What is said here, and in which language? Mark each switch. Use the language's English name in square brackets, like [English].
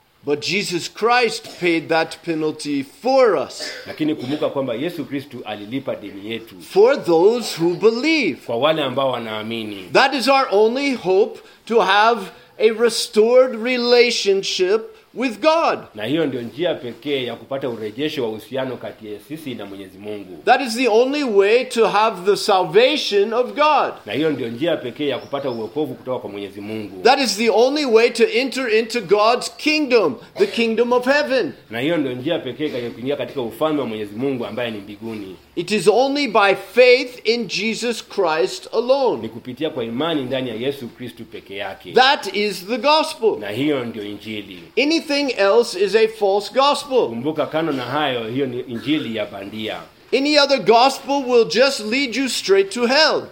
[English] But Jesus Christ paid that penalty for us. [Swahili] Lakini kumbuka kwamba Yesu Kristo alilipa deni yetu. [English] For those who believe. [Swahili] Kwa wale ambao wanaamini. [English] That is our only hope to have a restored relationship with God. [Swahili] Na hiyo ndio njia pekee ya kupata urejesho wa uhusiano kati ya sisi na Mwenyezi Mungu. [English] That is the only way to have the salvation of God. [Swahili] Na hiyo ndio njia pekee ya kupata uokovu kutoka kwa Mwenyezi Mungu. [English] That is the only way to enter into God's kingdom, the kingdom of heaven. [Swahili] Na hiyo ndio njia pekee ya kuingia katika ufalme wa Mwenyezi Mungu ambaye ni mbinguni. [English] It is only by faith in Jesus Christ alone. [Swahili] Ni kupitia kwa imani ndani ya Yesu Kristo peke yake. [English] That is the gospel. [Swahili] Na hiyo ndio injili. [English] Anything else is a false gospel. [Swahili] Kumbuka kano na hayo, hiyo ni injili ya bandia. [English] Any other gospel will just lead you straight to hell.